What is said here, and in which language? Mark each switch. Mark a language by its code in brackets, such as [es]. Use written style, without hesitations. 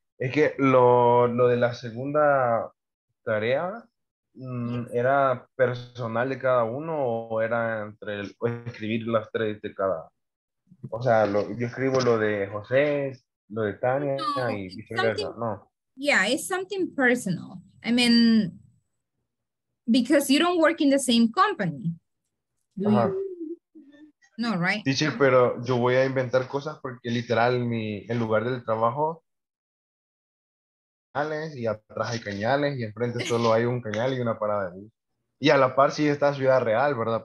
[es] Es que lo de la segunda tarea era personal de cada uno o era entre escribir las tres de cada. O sea, yo escribo lo de José, lo de Tania y viceversa, ¿no? [en] Yeah, it's something personal. I mean, because you don't work in the same company. No, right? [es] Teacher, pero yo voy a inventar cosas porque literal el lugar del trabajo. Y atrás hay cañales y enfrente solo hay un cañal y una parada. Y a la par sí está Ciudad Real, ¿verdad?